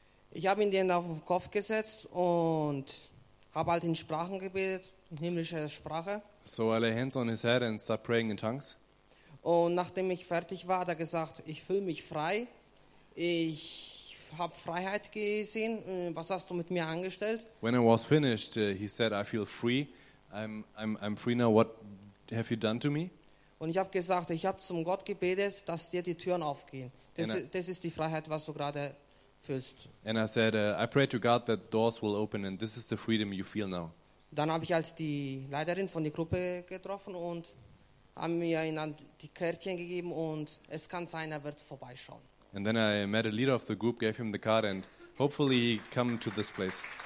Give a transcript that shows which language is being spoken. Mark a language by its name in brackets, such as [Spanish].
[German] Ich habe ihn die Hände auf den Kopf gesetzt und habe halt in Sprachen gebetet, in himmlischer Sprache. [English] So I lay hands on his head and start praying in tongues. [German] Und nachdem ich fertig war, hat er gesagt, ich fühle mich frei. Ich habe Freiheit gesehen. Was hast du mit mir angestellt? [English] When I was finished, he said, I feel free. I'm free now. What have you done to me? [German] Und ich habe gesagt, ich habe zum Gott gebetet, dass dir die Türen aufgehen. Das ist die Freiheit, was du gerade fühlst. [English] And I said, I pray to God that doors will open and this is the freedom you feel now. [German] Dann habe ich halt die Leiterin von der Gruppe getroffen und haben mir ihnen die Kärtchen gegeben und es kann sein, er wird vorbeischauen. [English] And then I met a leader of the group, gave him the card and hopefully he come to this place.